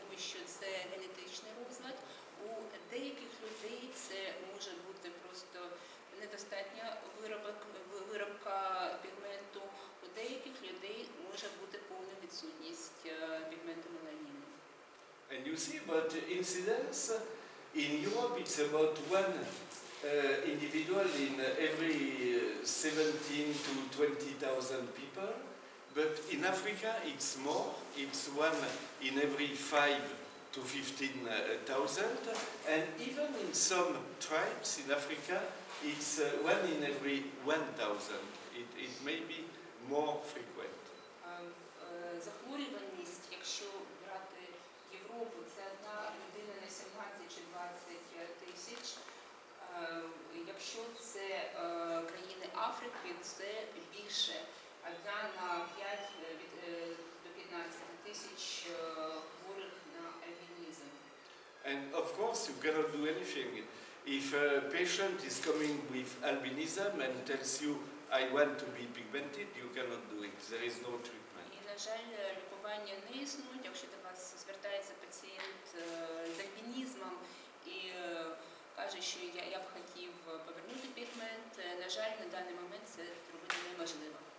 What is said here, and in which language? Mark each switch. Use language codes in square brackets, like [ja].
[uk] Що це генетичний розлад. У деяких людей це може бути просто недостатня виробка пігменту. У деяких людей може бути повна відсутність пігменту меланіну. [en] And you see, but incidence in Europe, it's about one individual in every 17 to 20,000 people. But in Africa, it's more. It's one in every 5 to 15,000, and even in some tribes in Africa, it's one in every 1,000. It may be more frequent. [uk] Захворюваність, якщо брати Європу, це одна людина на 17 чи 20 тисяч. Якщо це країни Африки, це більше. Одна на 5 до 15 тисяч хворих на альбінізм. [en] And of course, you cannot do anything. If a patient is coming with albinism and tells you, I want to be pigmented, you cannot do it. There is no treatment. [uk] І, на жаль, лікування не існують. Якщо до вас звертається пацієнт з альбінізмом і каже, що я б хотів повернути пігмент, на жаль, на даний момент це зробити неможливо.